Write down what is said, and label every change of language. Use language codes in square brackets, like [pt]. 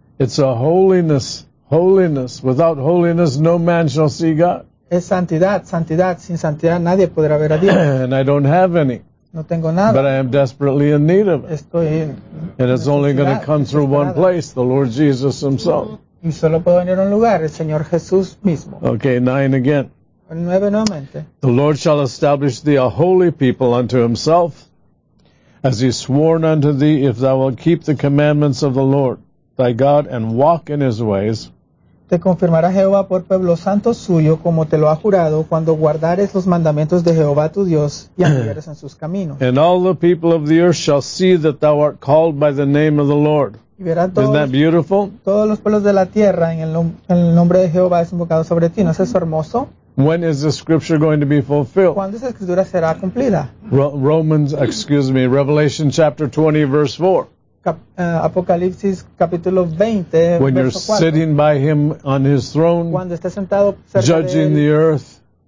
[en] It's a holiness. Holiness. Without holiness, no man shall see God. [es] Es santidad, santidad. Sin santidad, nadie podrá ver a Dios. [en] And I don't have any. [es] No tengo nada. [en] But I am desperately in need of it. [es] Estoy en [en] and it's only going to come through one place, the Lord Jesus himself. [es] Y solo puedo venir a un lugar, el Señor Jesús mismo. [en] Okay, 9 again. [es] Nueve nuevamente. [en] The Lord shall establish thee a holy people unto himself, as he sworn unto thee, if thou wilt keep the commandments of the Lord, thy God, and walk in his ways. [es] Te confirmará Jehová por pueblo santo suyo, como te lo ha jurado, cuando guardares los mandamientos de Jehová tu Dios y anduvieres en sus caminos. [en] And all the people of the earth shall see that thou art called by the name of the Lord. [es] Y verán todos, [en] isn't that beautiful? [es] Todos los pueblos de la tierra en el nombre de Jehová es invocado sobre ti. ¿No es eso hermoso? [en] When is the scripture going to be fulfilled? [es] ¿Cuándo esa escritura será cumplida? [en] Revelation chapter 20, verse 4. [es] Apocalipsis capítulo 20, verso 4. [en] When you're sitting by him on his throne, [es] cuando esté sentado cerca [en] judging the earth,